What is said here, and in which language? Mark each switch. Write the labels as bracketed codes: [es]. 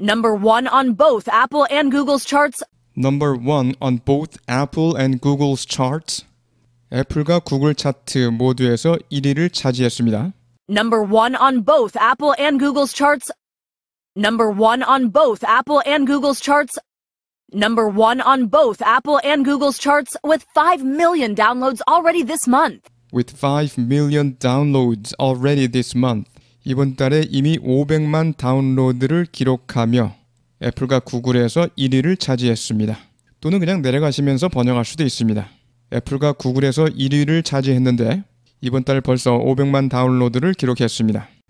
[en] Number one on both Apple and Google's charts. Number one on both Apple and Google's charts. [ko] 애플과 구글 차트 모두에서 1위를 차지했습니다. [en] Number one on both Apple and Google's charts. Number one on both Apple and Google's charts. Number one on both Apple and Google's charts with 5 million downloads already this month. With 5 million downloads already this month. [ko] 이번 달에 이미 500만 다운로드를 기록하며 애플과 구글에서 1위를 차지했습니다. 또는 그냥 내려가시면서 번역할 수도 있습니다. 애플과 구글에서 1위를 차지했는데 이번 달 벌써 500만 다운로드를 기록했습니다.